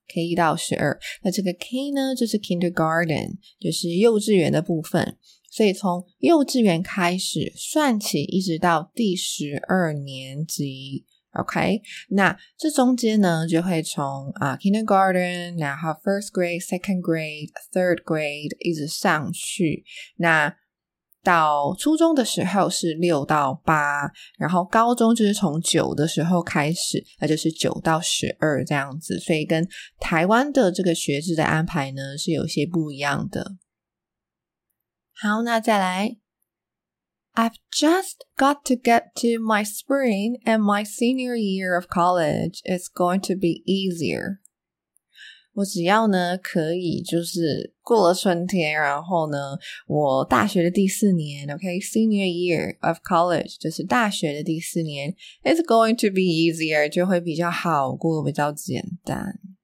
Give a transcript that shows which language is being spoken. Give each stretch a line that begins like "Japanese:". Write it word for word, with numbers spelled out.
Chinese: K 到十二，那这个 K 呢就是 kindergarten， 就是幼稚园的部分，所以从幼稚园开始算起一直到第十二年级 OK， 那这中间呢就会从、uh, kindergarten 然后
English: first grade second grade third grade
Chinese: 一直上去，那到初中的时候是六到八，然后高中就是从九的时候开始，那就是九到十二这样子，所以跟台湾的这个学制的安排呢是有些不一样的。好，那再来
English: I've just got to get to my spring and my senior year of college. It's going to be easier.
Chinese: 我只要呢可以就是过了春天，然后呢我大学的第四年 OK
English: Senior year of college
Chinese: 就是大学的第四年
English: It's going to be easier
Chinese: 就会比较好过，比较简单。